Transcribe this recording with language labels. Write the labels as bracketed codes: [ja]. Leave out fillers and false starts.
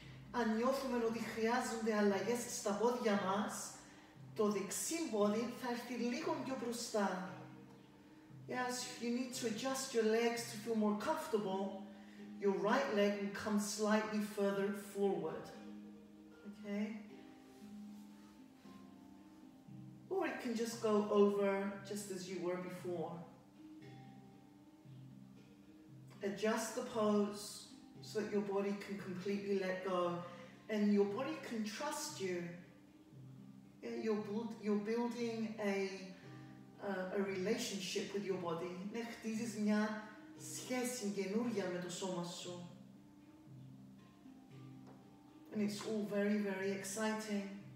[el] Αν νιώθουμε ότι χρειάζονται αλλαγές στα πόδια μας, το δεξί πόδι θα έρθει λίγο πιο μπροστά. [en] Yes, if you need to adjust your legs to feel more comfortable, your right leg will come slightly further forward. Okay? Or it can just go over just as you were before. Adjust the pose so that your body can completely let go. And your body can trust you. You're building a relationship with your body. [el] Ναι, χτίζεις μια σχέση καινούργια με το σώμα σου. [en] And it's all very, very exciting.